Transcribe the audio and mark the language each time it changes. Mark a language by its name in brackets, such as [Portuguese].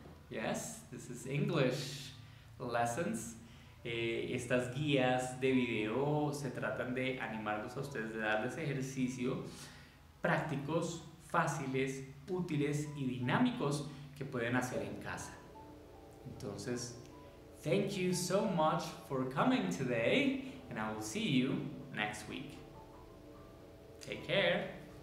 [English] Yes, this is English lessons. [Spanish] Estas guías de video se tratan de animarlos a ustedes, de darles ejercicio prácticos, fáciles, útiles y dinámicos que pueden hacer en casa. [English] Entonces, thank you so much for coming today, and I will see you next week. Take care.